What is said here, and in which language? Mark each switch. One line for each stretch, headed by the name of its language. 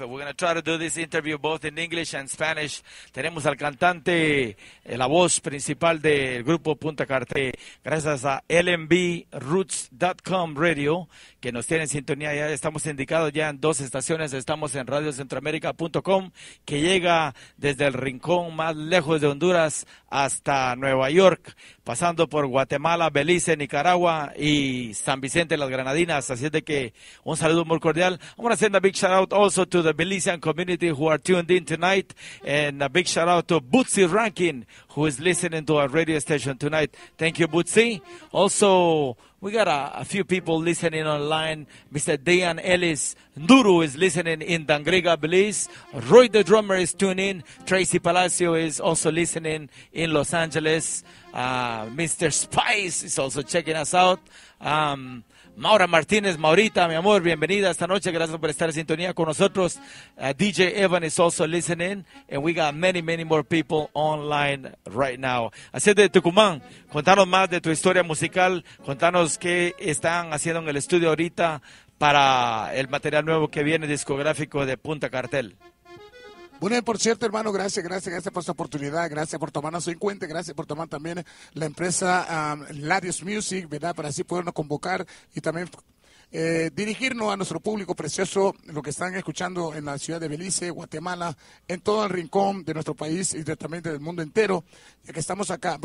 English: We're going to try to do this interview both in English and Spanish.
Spanish: Tenemos al cantante, la voz principal del grupo Punta Cartel, gracias a LMBRoots.com Radio, que nos tiene en sintonía. Ya estamos indicados ya en dos estaciones. Estamos en RadioCentroAmerica.com, que llega desde el rincón más lejos de Honduras hasta Nueva York, pasando por Guatemala, Belice, Nicaragua y San Vicente, las Granadinas. Así es de que un saludo muy cordial.
English: I want to send a big shout out also to the Belizean community who are tuned in tonight, and a big shout out to Bootsy Rankin, who is listening to our radio station tonight. Thank you, Bootsy. Also, we got a few people listening online. Mr. Dan Ellis Nduru is listening in Dangriga, Belize. Roy the drummer is tuned in. Tracy Palacio is also listening in Los Angeles. Mr. Spice is also checking us out. Maura Martínez, Maurita,
Spanish: mi amor, bienvenida esta noche. Gracias por estar en sintonía con nosotros. DJ Evan
English: is also listening. And we got many, many more people online right now.
Spanish: Así es de Tucumán, contanos más de tu historia musical. Contanos qué están haciendo en el estudio ahorita para el material nuevo que viene discográfico de Punta Cartel. Bueno, por cierto, hermano, gracias por esta oportunidad, gracias por tomarnos en cuenta, gracias por tomar también la empresa Ladios Music, ¿verdad?, para así podernos convocar y también dirigirnos a nuestro público precioso, lo que están escuchando en la ciudad de Belice, Guatemala, en todo el rincón de nuestro país y también del mundo entero, ya que estamos acá.